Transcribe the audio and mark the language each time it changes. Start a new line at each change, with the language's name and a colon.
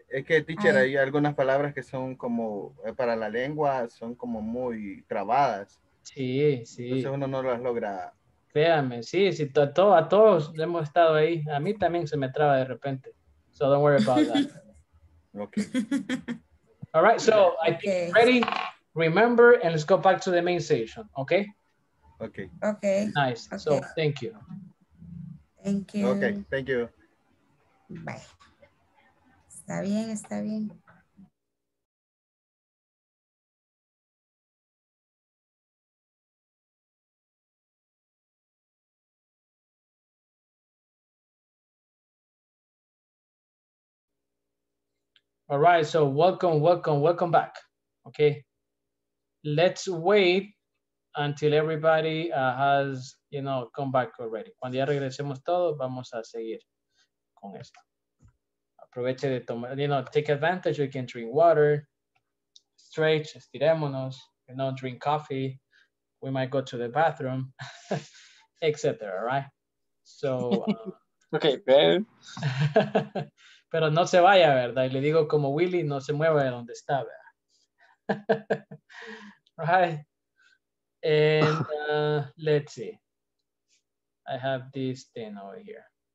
Spanish: Es que, teacher, hay algunas palabras que son como, para la lengua, son como muy trabadas. Sí, sí. Entonces uno no las logra. Créame, sí, sí, a todos hemos estado ahí. A mí también se me traba de repente.
English: So don't worry about that. Okay. All right, so okay. I think you're ready. Remember, and let's go back to the main session, okay? Okay. Okay. Nice. Okay. So, thank you. Thank you. Okay, thank you. Bye.
Spanish: Está bien, está bien.
English: All right, so welcome back, okay? Let's wait until everybody has, you know, come back already.
Spanish: Cuando ya regresemos todos, vamos a seguir con esto. Aproveche de tomar,
English: you know, take advantage. You can drink water, stretch,
Spanish: estirémonos,
English: you know, drink coffee. We might go to the bathroom, etc. Right? So. okay, Ben.
Spanish: Pero no se vaya, ¿verdad? Y le digo como Willy, no se mueva de donde está, ¿verdad?
English: Right, and let's see, I have this thing over here.